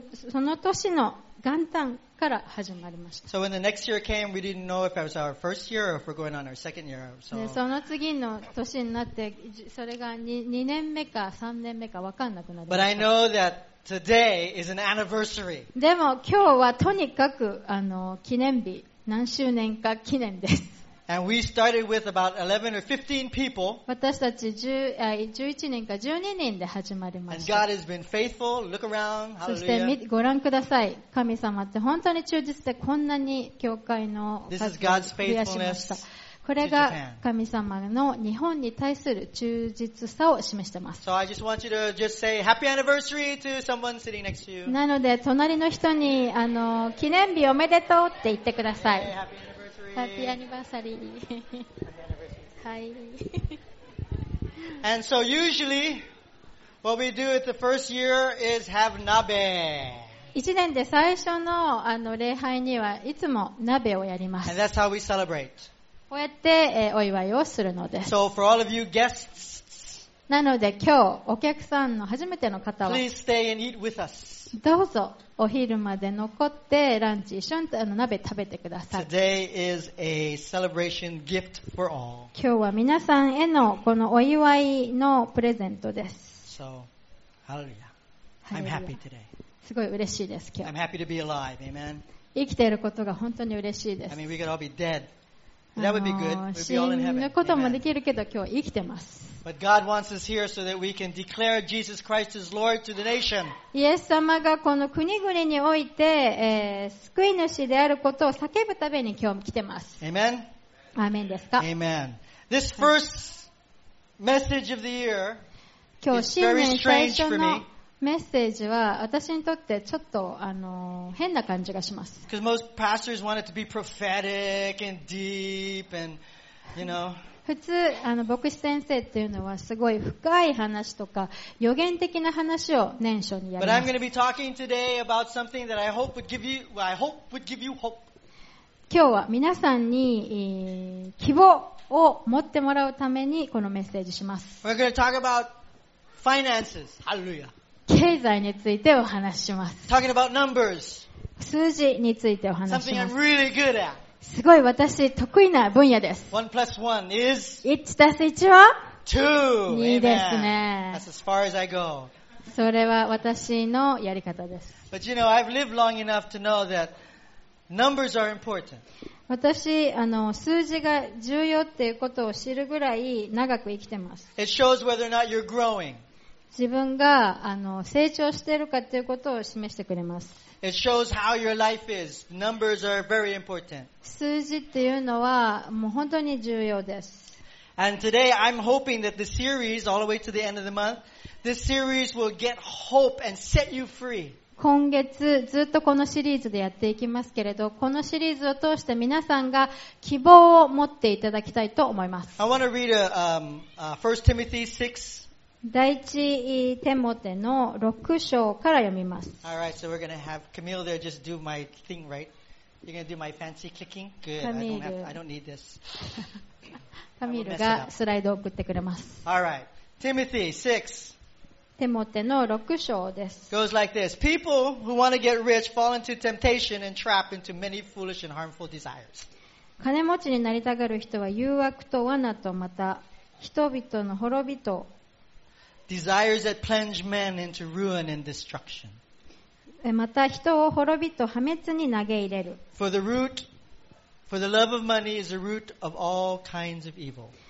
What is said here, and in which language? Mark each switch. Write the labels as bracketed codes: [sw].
[ja] その年の元旦から始まりました。 [en] So when the next year came, we didn't know if it was our first year or if we're going on our second year. So [ja] その次の年になって、それが2年目か3年目か分かんなくなりました。 [en] But I know that today is an anniversary. [ja] でも今日はとにかく記念日、何周年か記念です。 [en] And we started with about 11 or 15 people. [ja] 私たち11人か12人で始まりました。 [en] And God has been faithful. Look around. [ja] そしてご覧ください。神様って本当に忠実でこんなに教会の数を増やしました。これが神様の日本に対する忠実さを示しています。 [en] So I just want you to just say happy anniversary to someone sitting next to you. [ja] なので隣の人に記念日おめでとうって言ってください。 [en] Hey, happy anniversary. Happy anniversary. Hi. And so usually, what we do at the first year is have nabe. [ja] 一年で最初の礼拝にはいつも鍋をやります。 [en] And that's how we celebrate. [ja] こうやってお祝いをするのです。 [en] So for all of you guests, [ja] なので今日お客さんの初めての方は、 [en] please stay and eat with us. [ja] どうぞ。お昼まで残ってランチ一緒に鍋食べてください。 [en] Today is a celebration gift for all. [ja] 今日は皆さんへのこのお祝いのプレゼントです。 [en] So, hallelujah. I'm happy today. [ja] すごい嬉しいです今日。 [en] I'm happy to be alive. Amen. [ja] 生きていることが本当に嬉しいです。 [en] I mean, we could all be dead. That would be good. We'd be all in heaven. [ja] 死ぬこともできるけど今日生きてます。 [en] But God wants us here so that we can declare Jesus Christ as Lord to the nation. [ja] イエス様がこの国々において、救い主であることを叫ぶために今日来てます。 [en] Amen. [ja] アーメンですか。 [en] Amen. This first message of the year is very strange for me. [ja] メッセージは私にとってちょっと変な感じがします。 [en] Because most pastors want it to be prophetic and deep and, you know. [ja] 普通牧師先生っていうのはすごい深い話とか予言的な話を年初にやります。 [en] But I'm going to be talking today about something that I hope would give you hope. [ja] 今日は皆さんに希望を持ってもらうためにこのメッセージします。 [en] We're going to talk about finances. Hallelujah. [ja] 経済についてお話しします。 [en] Talking about numbers. [ja] 数字についてお話します。 [en] Something I'm really good at. [ja] すごい私得意な分野です。 [en] 1 plus 1 is 1 plus 1は [ja] 2。いいですね。 [en] That's as far as I go. [ja] それは私のやり方です。 [en] But you know, I've lived long enough to know that numbers are important. [ja] 私数字が重要っていうことを知るぐらい長く生きてます。 [en] It shows whether or not you're growing. [ja] 自分が成長しているかっていうことを示してくれます。 [en] It shows how your life is. Numbers are very important. [ja] 数字っていうのはもう本当に重要です。 [en] And today I'm hoping that the series all the way to the end of the month, this series will get hope and set you free. [ja] 今月ずっとこのシリーズでやっていきますけれど、このシリーズを通して皆さんが希望を持っていただきたいと思います。 [en] I want to read First Timothy 6. [ja] 第一テモテの6章から読みます。 [en] Alright, so we're going to have Camille there just do my thing, right? You're going to do my fancy clicking? Good, I don't need this. [ja] カミールがスライドを送ってくれます。 [en] Alright, Timothy 6. [ja] テモテの6章です。 [en] Goes like this: People who want to get rich fall into temptation and trap into many foolish and harmful desires. [ja] 金持ちになりたがる人は誘惑と罠とまた人々の滅びと。 [en] Desires that plunge men into ruin and destruction. [ja] また人を滅びと破滅に投げ入れる。 [en] For the love of money is the root of all kinds of evil.